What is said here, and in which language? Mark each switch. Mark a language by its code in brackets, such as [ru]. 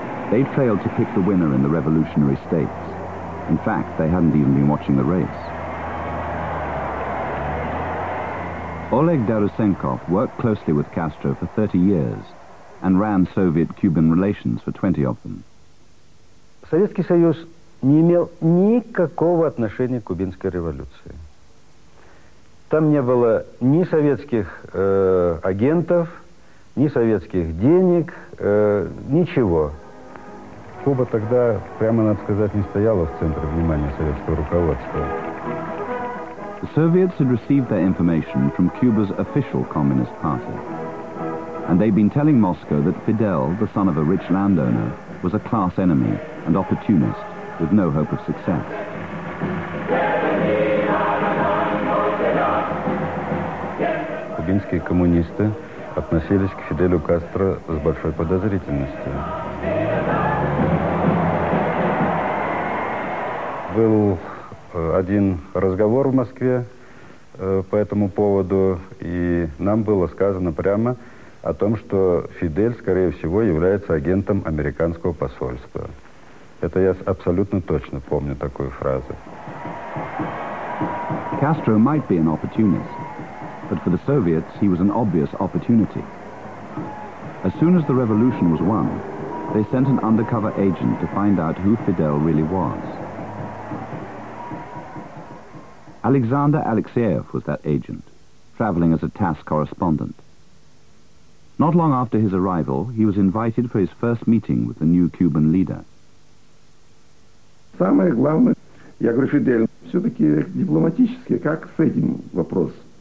[en] They'd failed to pick the winner in the revolutionary stakes. In fact, they hadn't even been watching the race. Oleg Darusenkov worked closely with Castro for 30 years and ran Soviet-Cuban relations for 20 of them. [ru] Советский Союз не имел никакого отношения к кубинской революции. Там не было ни советских агентов, ни советских денег, ничего. Куба тогда, прямо надо сказать, не стояла в центре внимания советского руководства. [en] The Soviets had received their information from Cuba's official Communist Party. And they'd been telling Moscow that Fidel, the son of a rich landowner, was a class enemy and opportunist with no hope of success. [ru] Кубинские коммунисты относились к Фиделю Кастро с большой подозрительностью. Был один разговор в Москве по этому поводу, и нам было сказано прямо о том, что Фидель, скорее всего, является агентом американского посольства. Это я абсолютно точно помню такую фразу. [en] Castro might be an opportunist, but for the Soviets he was an obvious opportunity. As soon as the revolution was won, they sent an undercover agent to find out who Fidel really was. Alexander Alexeyev was that agent, traveling as a TASS correspondent. Not long after his arrival, he was invited for his first meeting with the new Cuban leader. [ru] Самое главное, я говорю, Фидель, все-таки дипломатически, как с этим вопрос?